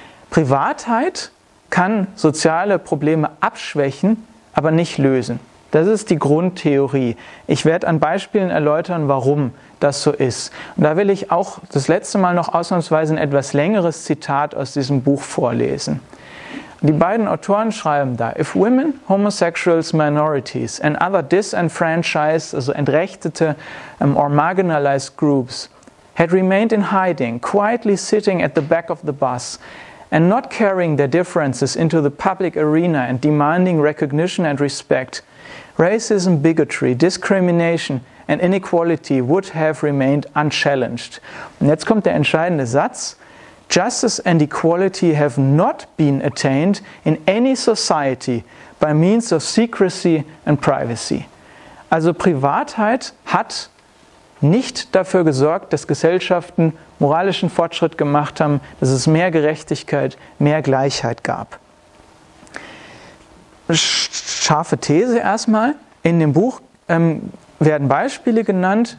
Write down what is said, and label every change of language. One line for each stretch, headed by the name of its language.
German: Privatheit kann soziale Probleme abschwächen, aber nicht lösen. Das ist die Grundtheorie. Ich werde an Beispielen erläutern, warum das so ist. Und da will ich auch das letzte Mal noch ausnahmsweise ein etwas längeres Zitat aus diesem Buch vorlesen. Die beiden Autoren schreiben da,
English: if women, homosexuals, minorities and other disenfranchised,
German: also entrechtete
English: or marginalized groups, had remained in hiding, quietly sitting at the back of the bus, and not carrying their differences into the public arena and demanding recognition and respect, racism, bigotry, discrimination and inequality would have remained unchallenged.
German: Und jetzt kommt der entscheidende Satz.
English: Justice and equality have not been attained in any society by means of secrecy and privacy.
German: Also Privatheit hat nicht dafür gesorgt, dass Gesellschaften moralischen Fortschritt gemacht haben, dass es mehr Gerechtigkeit, mehr Gleichheit gab. Scharfe These erstmal. In dem Buch werden Beispiele genannt.